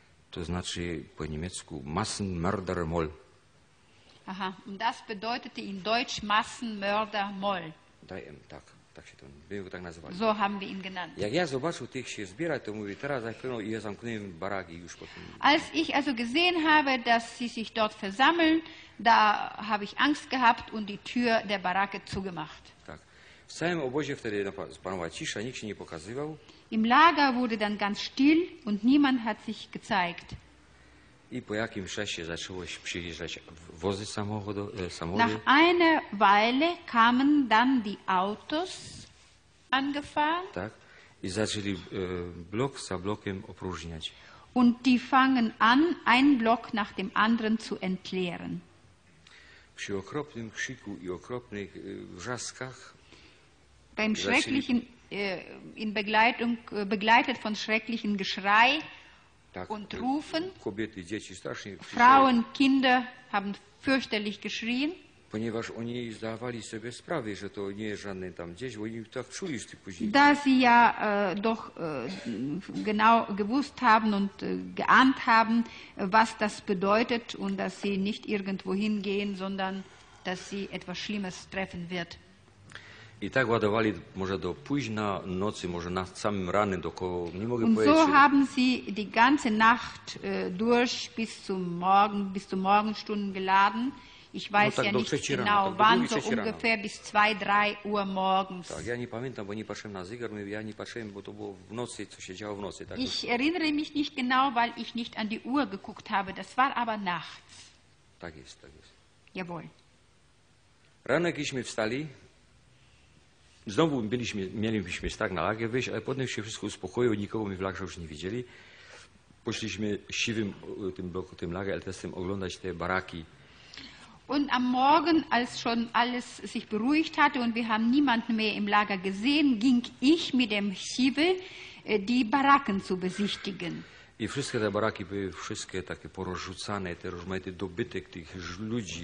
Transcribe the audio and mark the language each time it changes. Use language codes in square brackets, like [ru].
[pl] To znaczy po niemiecku Massenmörder Moll. [de] Aha, und das bedeutete in Deutsch Massenmörder Moll. [pl] 3M, tak. Tak się to, my go tak nazywali. [de] So haben wir ihn genannt. [pl] Jak ja zobaczył tych się zbierać, to mówię, teraz za chwilę i ja zamknąłem baraki już potem. [de] Als ich also gesehen habe, dass sie sich dort versammeln, da habe ich Angst gehabt und die Tür der Baracke zugemacht. [pl] Tak. W całym obozie wtedy panowała cisza, nikt się nie pokazywał. [de] Im Lager wurde dann ganz still und niemand hat sich gezeigt. [pl] I po jakimś czasie zaczęło się przyjeżdżać wozy samochody. [de] Nach einer Weile kamen dann die Autos angefahren. [pl] Tak. I zaczęli blok za blokiem opróżniać. [de] Und die fangen an, ein Block nach dem anderen zu entleeren. [pl] Przy okropnym krzyku i okropnych wrzaskach. [de] Beim schrecklichen, in Begleitung, begleitet von schrecklichen Geschrei. [pl] Tak, [de] und rufen. [pl] Kobiety, dzieci, strasznie krzyczały, [de] Frauen, Kinder haben fürchterlich geschrien. [pl] Ponieważ oni zdawali sobie sprawę, że to nie jest żadne tam gdzieś, bo oni tak czuli, że później. [de] Da sie ja doch genau gewusst haben und geahnt haben, was das bedeutet und dass sie nicht irgendwo hingehen, sondern dass sie etwas Schlimmes treffen wird. [pl] I tak ładowali może do późna nocy, może na samym rannym, do koło, nie mogę [de] und [pl] powiedzieć. [de] So haben sie die ganze Nacht durch bis zum Morgenstunden geladen. Ich weiß [pl] no, tak [de] ja nicht [pl] rano, [de] genau wann, so [pl] rano. [de] Ungefähr bis 2-3 Uhr morgens. [pl] Tak, ja nie pamiętam, bo nie patrzyłem na zegar, ja nie patrzyłem, bo to było w nocy, co się działo w nocy. Tak? [de] Ich erinnere mich nicht genau, weil ich nicht an die Uhr geguckt habe, das war aber nachts. [pl] Tak jest, tak jest. [de] Jawohl. [pl] Rano jakieśmy wstali. Znowu mieliśmy tak na lagę wyjść, ale potem się wszystko uspokoiło, nikogo mi w lagrze już nie widzieli. Poszliśmy siwym tym bloku, tym lagę, ale też oglądać te baraki. [de] Und am Morgen, als schon alles sich beruhigt hatte und wir haben niemanden mehr im Lager gesehen, ging ich mit dem Siwy die Baracken zu besichtigen. [pl] I wszystkie te baraki były wszystkie takie porozrzucane, te rozmaite dobytek tych ludzi.